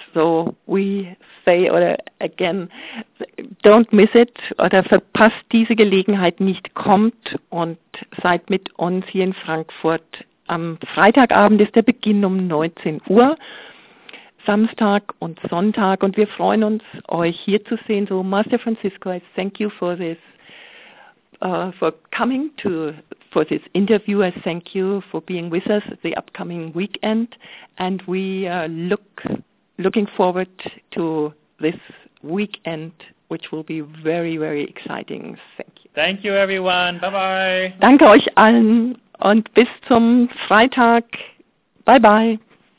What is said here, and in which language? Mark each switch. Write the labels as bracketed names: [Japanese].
[English] So we say, [German] oder [English] again, don't miss it, [German] oder verpasst diese Gelegenheit nicht, kommt und seid mit uns hier in Frankfurt. Am Freitagabend ist der Beginn um 19 Uhr, Samstag und Sonntag, und wir freuen uns, euch hier zu sehen. [English] So, Master Francisco, I thank you for this, for this interview. I thank you for being with us the upcoming weekend, and we are looking forward to this weekend, which will be very, very exciting. Thank you. Thank you, everyone. Bye-bye. [German] Danke euch allen und bis zum Freitag. Bye-bye.